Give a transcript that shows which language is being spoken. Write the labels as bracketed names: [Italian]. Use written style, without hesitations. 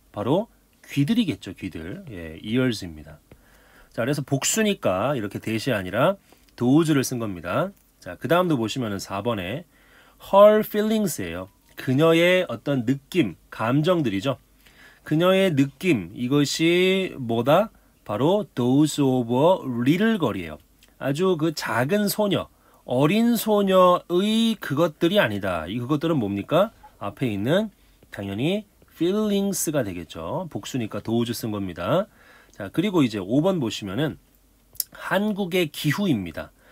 [Korean] 바로 귀들이겠죠, 귀들. 예, ears입니다. 자, 그래서 복수니까 이렇게 대시 아니라 도우즈를 쓴 겁니다. 자, 그 다음도 보시면은 4번에 [English] her feelings [Korean] 예요. 그녀의 어떤 느낌, 감정들이죠. 그녀의 느낌, 이것이 뭐다? 바로 [English] those of a little girl [Korean] 이에요. 아주 그 작은 소녀, 어린 소녀의 그것들이 아니다. 이 그것들은 뭡니까? 앞에 있는 당연히 feelings가 되겠죠. 복수니까 those 쓴 겁니다. 자, 그리고 이제 5번 보시면은 한국의 기후입니다.